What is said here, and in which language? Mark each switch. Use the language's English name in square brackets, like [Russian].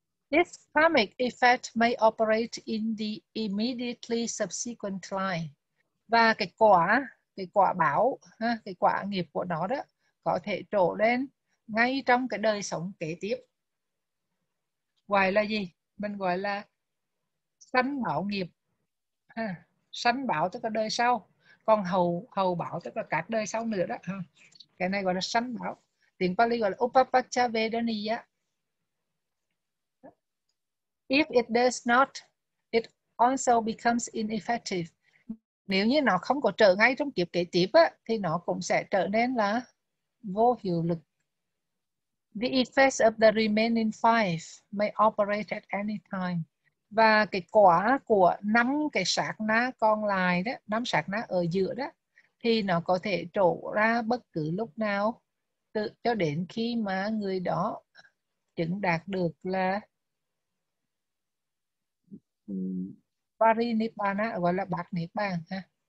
[English] This karmic effect may operate in the immediately subsequent life, [Vietnamese] và cái quả nghiệp của nó đó có thể trổ lên ngay trong cái đời sống kế tiếp. Gọi là gì? Mình gọi là sanh bảo nghiệp. À, sanh bảo tức là đời sau, còn hầu bảo tức là các đời sau nữa đó. À, cái này gọi là sanh bảo. Tiếng Pali gọi là Upapaccha Vedaniya. [English] If it does not, it also becomes ineffective. [Vietnamese] Nếu như nó không có trở ngay trong kiếp kế tiếp á, thì nó cũng sẽ trở nên là vô hiệu lực. [English] The effects of the remaining five may operate at any time. [Vietnamese] Và cái quả của năm cái sát na còn lại đó, năm sát na ở giữa đó, thì nó có thể trổ ra bất cứ lúc nào, cho đến khi mà người đó chứng đạt được là Parinibbana, gọi là Bạc Niết Bàn ha.